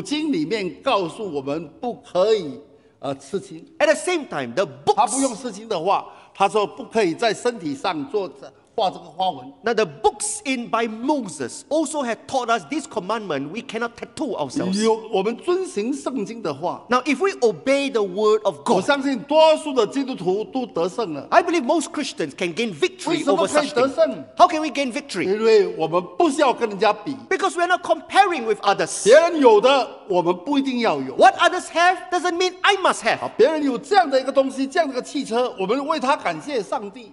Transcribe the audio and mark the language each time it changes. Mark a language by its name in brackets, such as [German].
[Chinese] 因为五经里面告诉我们不可以, 刺青, [English] at the same time, the books, [Chinese] 他不用刺青的话, 他说不可以在身体上做画这个花纹。 [English] Now the books in by Moses also have taught us this commandment, we cannot tattoo ourselves. [Chinese] 有我们遵循圣经的话, [English] now if we obey the word of God, [Chinese] 我相信多数的基督徒都得胜了。 [English] I believe most Christians can gain victory over such things. How can we gain victory? [Chinese] 因为我们不需要跟人家比, [English] because we are not comparing with others. [Chinese] 别人有的, 我们不一定要有, [English] what others have doesn't mean I must have. [Chinese] 别人有这样的一个东西, 这样的一个汽车, 我们为他感谢上帝,